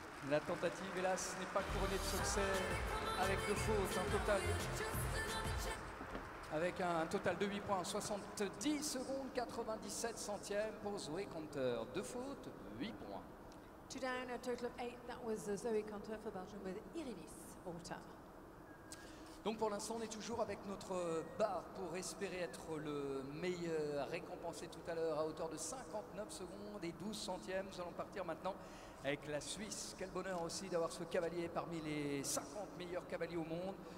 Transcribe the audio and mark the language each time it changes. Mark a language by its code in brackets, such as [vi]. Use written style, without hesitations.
[fr] La tentative, hélas, n'est pas couronnée de succès avec deux fautes, un total. Avec un total de 8 points, 70 secondes, 97 centièmes pour Zoë Konta. Deux fautes, 8 points. [en] Two down, a total of 8, that was Zoë Konta for Belgium with Irinis Autain. [fr] Donc pour l'instant, on est toujours avec notre barre pour espérer être le meilleur récompensé tout à l'heure à hauteur de 59 secondes et 12 centièmes. Nous allons partir maintenant avec la Suisse. Quel bonheur aussi d'avoir ce cavalier parmi les 50 meilleurs cavaliers au monde.